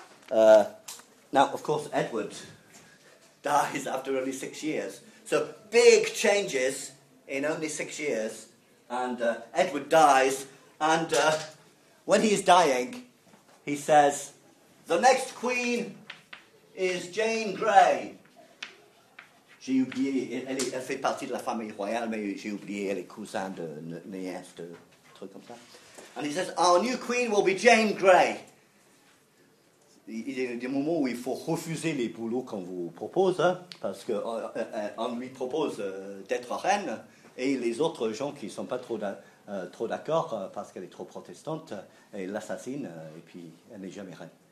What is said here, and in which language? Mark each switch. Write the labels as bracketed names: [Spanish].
[English] Now, of course, Edward dies after only 6 years. So, big changes in only 6 years, and Edward dies, and when he is dying, he says, the next queen is Jane Grey. J [French] j'ai oublié, elle fait partie de la famille royale, mais j'ai oublié, elle est cousine de nièce, de trucs comme ça. [English] And he says, our new queen will be Jane Grey. [French] Il y a des moments où il faut refuser les boulots qu'on vous propose, hein, parce qu'on lui propose d'être reine, et les autres gens qui ne sont pas trop d'accord, parce qu'elle est trop protestante, elle l'assassine, et puis elle n'est jamais reine.